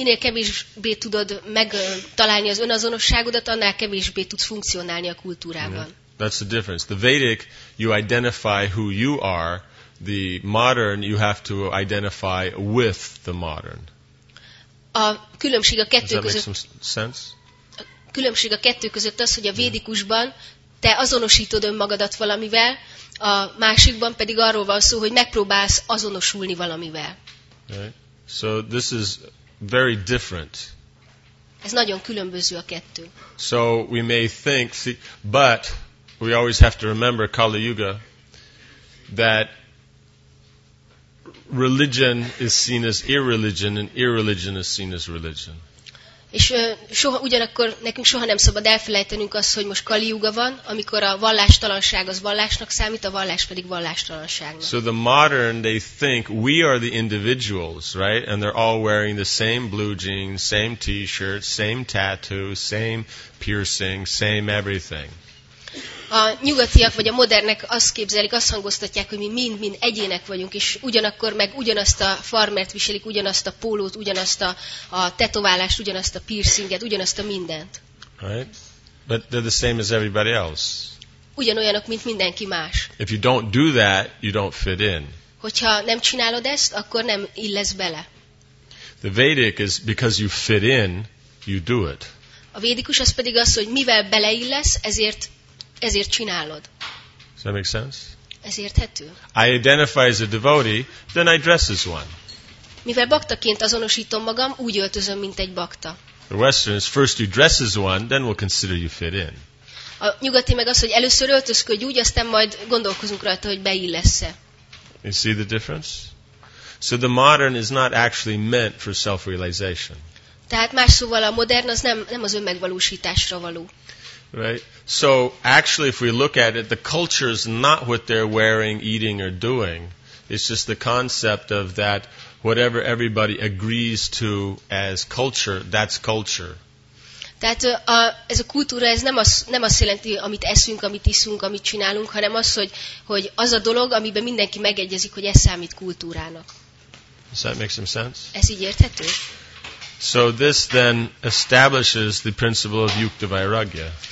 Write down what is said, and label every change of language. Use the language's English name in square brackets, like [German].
[Hungarian] Minél kevésbé tudod megtalálni az önazonosságodat, annál kevésbé tudsz funkcionálni a kultúrában. [English] Yeah. That's the difference. The Vedic, you identify who you are. The modern, you have to identify with the modern. [Hungarian] A különbség a kettő között. [English] Does that make some sense? [Hungarian] A különbség a kettő között az, hogy a védikusban te azonosítod önmagadat valamivel, a másikban pedig arról van szó, hogy megpróbálsz azonosulni valamivel. [English] Right. So this is very different. [Hungarian] Ez nagyon különböző a kettő. [English] So we may think, but we always have to remember Kali Yuga, that religion is seen as irreligion, and irreligion is seen as religion. [Hungarian] És soha, ugyanakkor nekünk soha nem szabad elfelejtenünk azt, hogy most Kali Yuga van, amikor a vallástalanság az vallásnak számít, a vallás pedig vallástalanságnak. [English] So the modern, they think we are the individuals, right? And they're all wearing the same blue jeans, same t-shirt, same tattoo, same piercing, same everything. [Hungarian] A nyugatiak vagy a modernek azt képzelik, azt hangoztatják, hogy mi mind egyének vagyunk, és ugyanakkor meg ugyanazt a farmert viselik, ugyanazt a pólót, ugyanazt a tetoválást, ugyanazt a piercinget, ugyanazt a mindent. [English] Right? But they're the same as everybody else. [Hungarian] Ugyanolyanok, mint mindenki más. [English] If you don't do that, you don't fit in. [Hungarian] Hogyha nem csinálod ezt, akkor nem illesz bele. [English] The Vedic is because you fit in, you do it. [Hungarian] A védikus az pedig az, hogy mivel beleillesz, ezért csinálod. [English] Does that make sense? [Hungarian] Ez érthető. [English] I identify as a devotee, then I dress as one. [Hungarian] Mivel baktaként azonosítom magam, úgy öltözöm, mint egy bakta. [English] The Western is first you dress as one, then we'll consider you fit in. [Hungarian] A nyugati meg az, hogy először öltözködj úgy, aztán majd gondolkozunk rajta, hogy beillesz-e. [English] You see the difference? So the modern is not actually meant for self-realization. [Hungarian] Tehát más szóval a modern az nem az önmegvalósításra való. [English] Right. So actually, if we look at it, the culture is not what they're wearing, eating, or doing. It's just the concept of that whatever everybody agrees to as culture, that's culture. [Hungarian] Tehát ez a kultúra, ez nem az jelenti, amit eszünk, amit iszunk, amit csinálunk, hanem az, hogy az a dolog, amiben mindenki megegyezik, hogy ez számít kultúrának. [English] Does that make some sense? [Hungarian] Ez így érthető? [English] So this then establishes the principle of yukta vairagya.